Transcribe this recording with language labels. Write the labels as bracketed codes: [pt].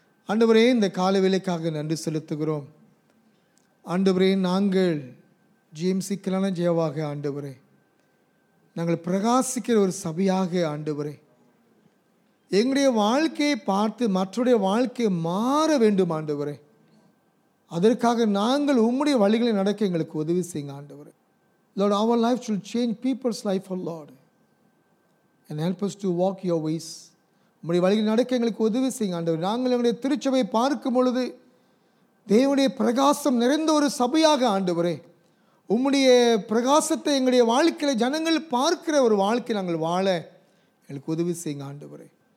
[ta] ஆண்டவரே, இந்த கால வேளைக்காக நன்றி செலுத்துகிறோம். ஆண்டவரே, நாங்கள் ஜிஎம்சிக்கலான ஜெயவாக ஆண்டவரே, நாங்கள் பிரகாசிக்கிற ஒரு சபையாக ஆண்டவரே, எங்களுடைய வாழ்க்கையை பார்த்து மற்றடைய வாழ்க்கையை மாற வேண்டும் ஆண்டவரே. அதற்காக நாங்கள் உம்முடைய வழிகளை நடக்க எங்களுக்கு உதவி செய்யுங்க ஆண்டவரே. [en] Lord, our life should change people's life, O Lord, and help us to walk your ways. [ta] உம்முடைய வழிகளை நடக்க எங்களுக்கு உதவி செய்யுங்க ஆண்டவரே. நாங்கள் எங்களுடைய திருச்சபையை பார்க்கும் பொழுது தேவனுடைய பிரகாசம் நிறைந்த ஒரு சபையாக ஆண்டவரே, உம்முடைய பிரகாசத்தை எங்களுடைய வாழ்க்கையில் ஜனங்கள் பார்க்கிற ஒரு வாழ்க்கை நாங்கள் வாழ எங்களுக்கு உதவி செய்யுங்க ஆண்டவரே.